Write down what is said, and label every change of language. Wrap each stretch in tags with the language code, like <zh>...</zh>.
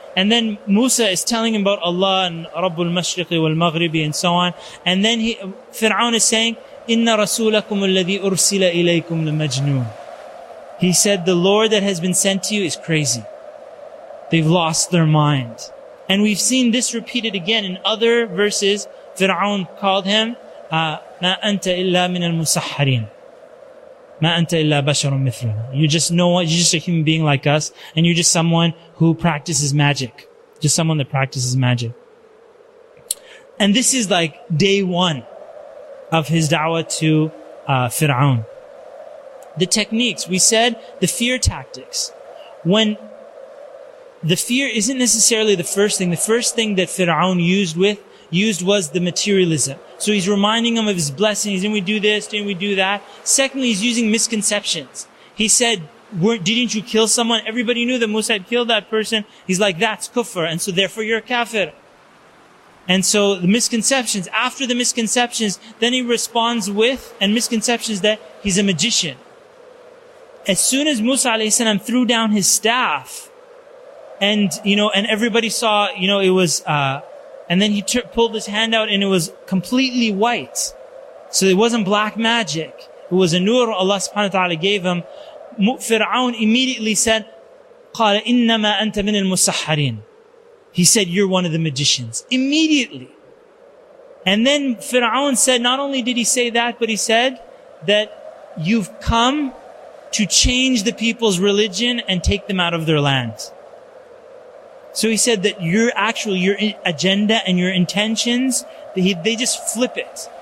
<en>And then Musa is telling him about Allah and</en> <ar>Rabbul Mashriqi wal Maghribi</ar> <en>and so on. And then Fir'aun is saying,</en> <ar>Inna rasulakum alladhi ursila ilaykum lamajnoon.</ar> <en>He said, the Lord that has been sent to you is crazy. They've lost their mind. And we've seen this repeated again in other verses. Fir'aun called him,</en> <ar>ما أنت إلا من المسحرين ما أنت إلا بشر مثلنا.</ar> <en>You just know what, you're just a human being like us, and you're just someone who practices magic. Just someone that practices magic. And this is like day one of his da'wah to Fir'aun. The techniques, we said the fear tactics. When the fear isn't necessarily the first thing. The first thing that Fir'aun used was the materialism. So he's reminding him of his blessings. Didn't we do this? Didn't we do that? Secondly, he's using misconceptions. He said, didn't you kill someone? Everybody knew that Musa had killed that person. He's like, that's kufr. And so therefore you're a kafir. And so the misconceptions, after the misconceptions, then he responds with, and misconceptions that he's a magician. As soon as Musa alayhi salam threw down his staff, and, you know, and everybody saw, you know, it was, and then he pulled his hand out and it was completely white. So it wasn't black magic. It was a nur Allah subhanahu wa ta'ala gave him. Fir'aun immediately said,</en> <ar>قَالَ إِنَّمَا أَنْتَ مِنَ الْمُسَحَّرِينَ.</ar> <en>He said, you're one of the magicians. Immediately. And then Fir'aun said, not only did he say that, but he said that you've come to change the people's religion and take them out of their land. So he said that your agenda and your intentions, they just flip it.</en>